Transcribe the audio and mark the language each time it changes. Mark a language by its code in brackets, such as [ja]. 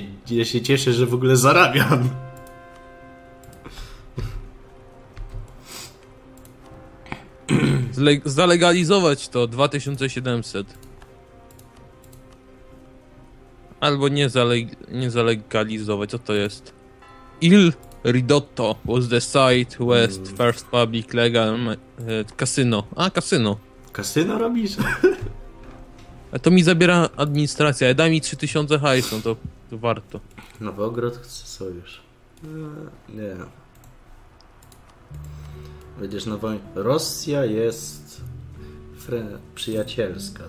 [pl] Ja się cieszę, że w ogóle zarabiam. Zalegalizować to 2700. Albo nie zalegalizować, co to jest? [en] Il Ridotto was the site west first public legal casino. [pl] A, casino. Casino robisz? A to mi zabiera administracja. Daj mi 3000 hajsu, to warto. Nowogrod chce sojusz. Nie. Będziesz na wojnie. Rosja jest przyjacielska.